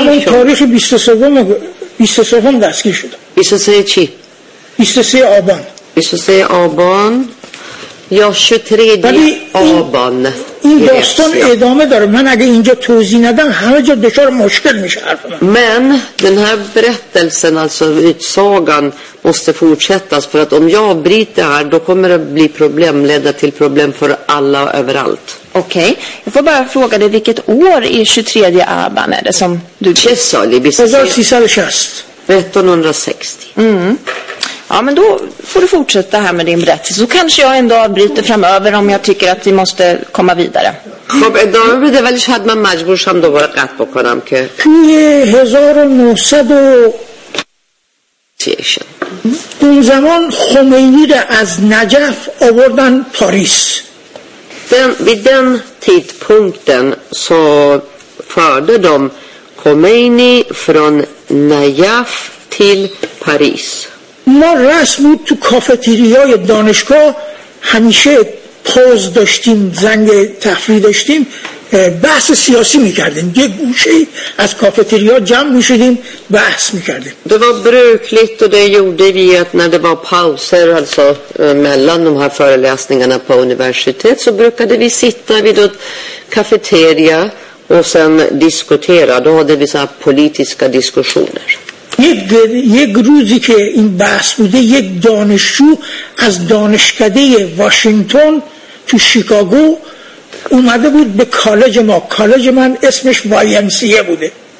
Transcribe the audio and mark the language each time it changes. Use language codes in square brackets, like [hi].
[fa] تاریخ 23 دستگیر شد. 23 چی؟ 23 آبان. 23 آبان. یا 23 آبان. این داستان ادامه داره. من اگه اینجا توضیح ندم همه جا دچار مشکل میشه حرف من. [sv] Men den här berättelsen alltså utsagan måste fortsättas för att om jag bryter här då kommer det bli problem, leda till problem för alla överallt. Okej, okay. Jag får bara fråga dig vilket år i 23 Aban är det som du... [fa] Kessali, bis- 1360. Mm. [sv] Ja, men då får du fortsätta här med din berättelse. Så kanske jag en dag avbryter framöver om jag tycker att vi måste komma vidare. [fa] خب ادامه بده ولی شاید من مجبورشم دوباره قطع بکنم که توی 1900 اون زمان خمینی رو از نجف آوردن پاریس. [sv] Vid den tidpunkten så förde de Khomeini från Najaf till Paris. [fa] ما رسمی تو کافتیریای دانشگاه همیشه پوز داشتیم، زنگ تفریح داشتیم، بحث سیاسی میکردیم. یه گوشه از کافتریا جمع میشدیم بحث میکردیم. [sv] Det var brukligt och det gjorde vi att när det var pauser alltså mellan de här föreläsningarna på universitet så brukade vi sitta vid ett kafeteria och sen diskutera. Då hade vi så här politiska diskussioner. [fa] یک روزی که این بحث بوده یک دانشجو از دانشکده واشنگتن تو شیکاگو اومده بود به کالج ما. کالج من اسمش YMCA بوده.